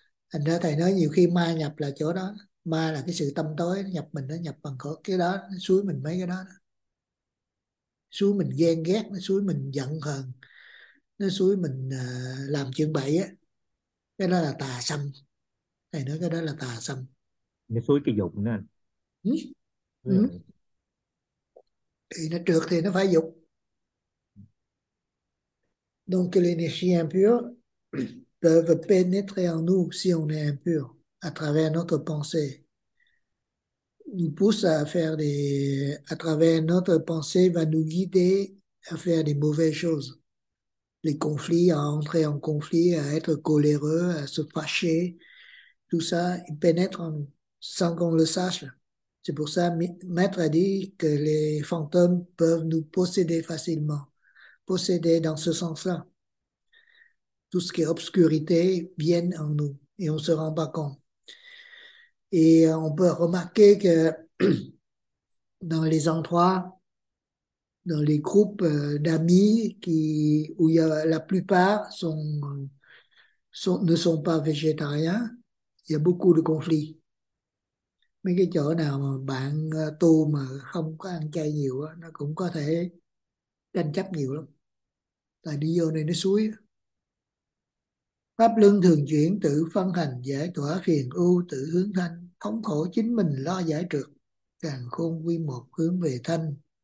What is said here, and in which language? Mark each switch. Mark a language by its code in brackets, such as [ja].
[vi] Thành ra thầy nói nhiều khi ma nhập là chỗ đó, ma là cái sự tâm tối, nó nhập mình, nó nhập bằng cái đó, nó xúi mình mấy cái đó, xúi mình ghen ghét, nó xúi mình giận hờn, nó xúi mình làm chuyện bậy á, cái đó là tà xâm. Thầy nói cái đó là tà xâm. Nó suối cái dục nữa anh. Ừ. Rồi. Thì nó trượt thì nó phải dục. [fr] Donc l'énergie impure peuvent pénétrer en nous si on est impur à travers notre pensée. Nous pousse à faire des à travers notre pensée va nous guider à faire des mauvaises choses. Les conflits, à entrer en conflit, à être coléreux, à se fâcher, tout ça, il pénètre en nous sans qu'on le sache. C'est pour ça que Maître a dit que les fantômes peuvent nous posséder facilement. Posséder dans ce sens-là. Tout ce qui est obscurité vient en nous et on ne se rend pas compte. Et on peut remarquer que dans les endroits, dans les groupes d'amis qui, où y a, la plupart ne sont pas végétariens, il y a beaucoup de conflits. [vi] Mấy cái chỗ nào mà bạn tu mà không có ăn chay nhiều á, nó cũng có thể tranh chấp nhiều lắm. Tại đi vô này nó suối. Pháp luân thường chuyển, tự phân hành, giải tỏa phiền ưu, tự hướng thanh, thống khổ chính mình lo giải trượt, càn khôn quy một hướng về thanh.